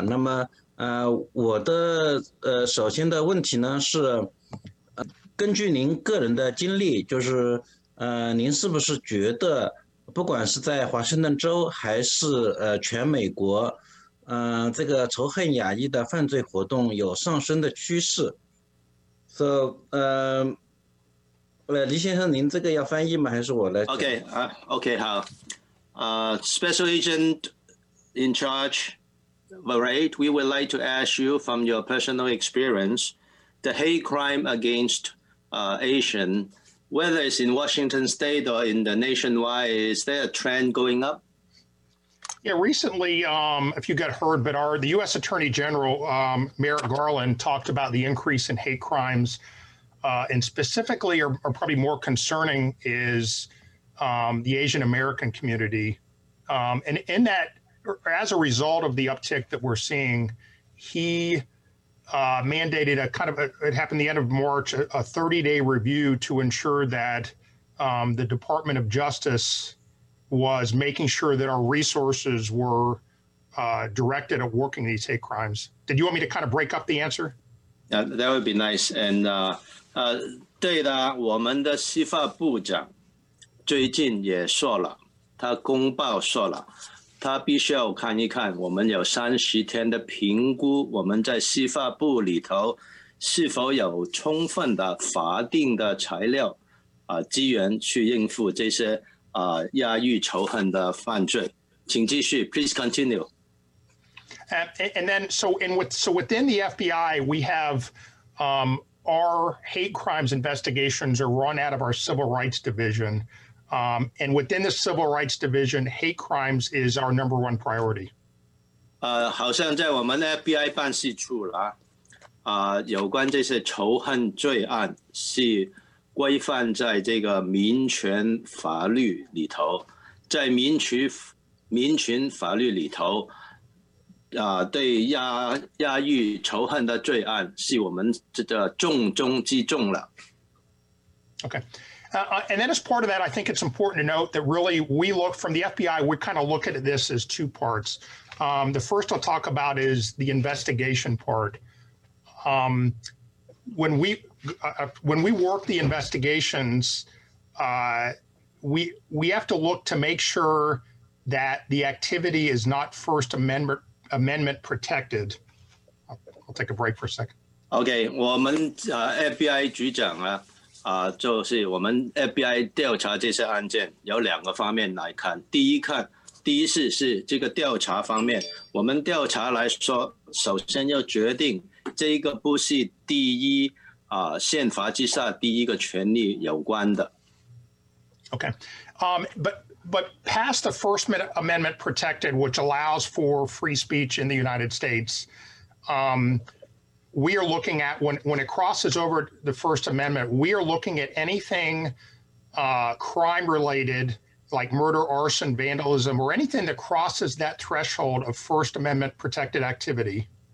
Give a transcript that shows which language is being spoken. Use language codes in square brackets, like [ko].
[zh] 那么我的首先的问题呢是，根据您个人的经历，就是您是不是觉得，不管是在华盛顿州还是全美国，这个仇恨亚裔的犯罪活动有上升的趋势 ？So， 李先生，您这个要翻译吗？还是我来？OK， 好。 [en] Special Agent in Charge Varad, we would like to ask you from your personal experience, the hate crime against Asian. Whether it's in Washington state or in the nationwide, is there a trend going up? Yeah, recently, if you got heard, but the U.S. Attorney General, Merrick Garland, talked about the increase in hate crimes, and specifically, or probably more concerning, is the Asian American community. And in that, as a result of the uptick that we're seeing, he mandated a kind of, it happened the end of March, a 30-day review to ensure that the Department of Justice was making sure that our resources were directed at working these hate crimes. Did you want me to kind of break up the answer? Yeah, that would be nice. [zh] And 对的，我们的司法部长最近也说了，他公报说了他必须要看一看，我们有30天的评估，我们在司法部里头是否有充分的法定的材料、资源去应付这些亚裔仇恨的犯罪。请继续 ， [en] please continue. And then within the FBI, we have our hate crimes investigations are run out of our civil rights division. And within the Civil Rights Division, hate crimes is our number one priority. [zh] 好像在我们 FBI 办事处啦，有关这些仇恨罪案是规范在这个民权法律里头，在民权法律里头，对亚裔仇恨的罪案是我们这个重中之重了。 [en] Okay. And then as part of that, I think it's important to note that really we look from the FBI, we kind of look at this as two parts. The first I'll talk about is the investigation part. When we work the investigations, we have to look to make sure that the activity is not First Amendment protected. I'll take a break for a second. [zh] Okay, 我们FBI 局长啊。就是我们 FBI 调查这些案件有两个方面来看，第一是这个调查方面，我们调查来说，首先要决定这个不是第一宪法之下第一个权利有关的。 [en] Okay, but past the First Amendment protected, which allows for free speech in the United States, we are looking at when it crosses over the First Amendment, we are looking at anything crime related, like murder, arson, vandalism, or anything that crosses that threshold of First Amendment protected activity.